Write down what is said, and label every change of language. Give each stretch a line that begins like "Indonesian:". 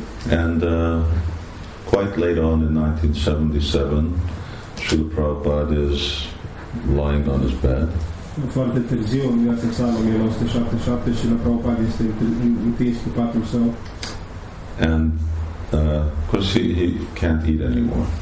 English: And quite late on in 1977, Srila Prabhupada is lying on his bed.
Romanian: Foarte târziu, în viața sa, în 1977, Srila Prabhupada este întins pe patul său.
English: And Of course, he can't eat anymore.